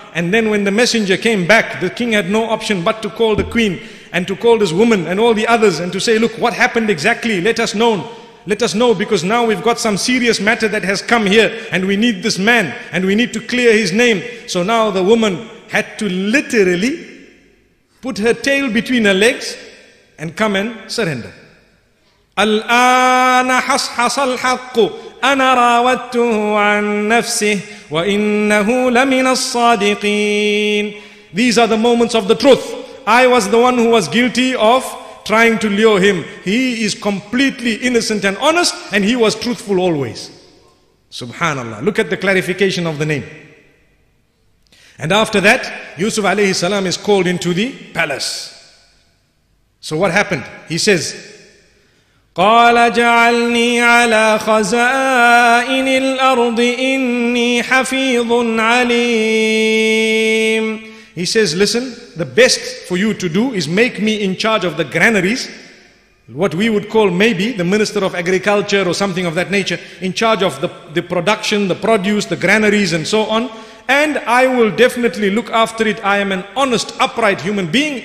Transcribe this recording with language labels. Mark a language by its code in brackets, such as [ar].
[en] And then when the messenger came back, the king had no option but to call the queen and to call this woman and all the others and to say, look, what happened exactly? Let us know, because now we've got some serious matter that has come here, and we need this man and we need to clear his name. So now the woman had to literally put her tail between her legs and come and surrender. [ar] الآن حصحص الحق أنا راودته عن نفسه وإنه لمن الصادقين. [en] These are the moments of the truth. I was the one who was guilty of trying to lure him. He is completely innocent and honest, and he was truthful always. Subhanallah. Look at the clarification of the name. And after that, Yusuf alayhi salam is called into the palace. So what happened? He says, [ar] قال جعلني على خزائن الأرض إني حفيظ عليم. [en] He says, listen, the best for you to do is make me in charge of the granaries, what we would call maybe the minister of agriculture or something of that nature, in charge of the production, the produce, the granaries and so on. And I will definitely look after it. I am an honest, upright human being.